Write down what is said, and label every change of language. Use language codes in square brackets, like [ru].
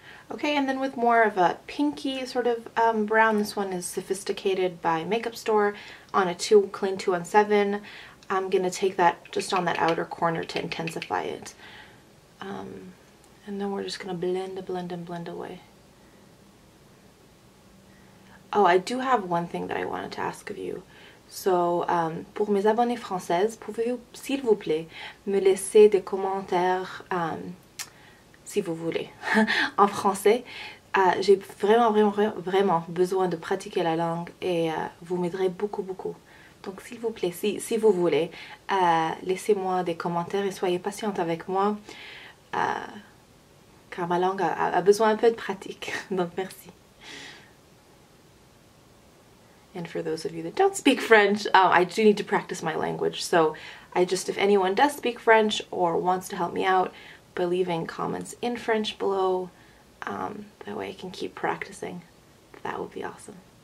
[en] Okay, and then with more of a pinky sort of brown, this one is Sophisticated by Makeup Store on a clean 217. I'm gonna take that just on that outer corner to intensify it. And then we're just gonna blend away. Oh, I do have one thing that I wanted to ask of you. [fr] So, pour mes abonnés françaises, pouvez-vous, s'il vous plaît, me laisser des commentaires, si vous voulez, en français. J'ai vraiment, vraiment, vraiment besoin de pratiquer la langue et vous m'aiderez beaucoup, beaucoup. Donc, s'il vous plaît, si vous voulez, laissez-moi des commentaires et soyez patiente avec moi. car ma langue a besoin un peu de pratique. Donc merci. [en] And for those of you that don't speak French, oh, I do need to practice my language. So I just, if anyone does speak French or wants to help me out, by leaving comments in French below, that way I can keep practicing. That would be awesome.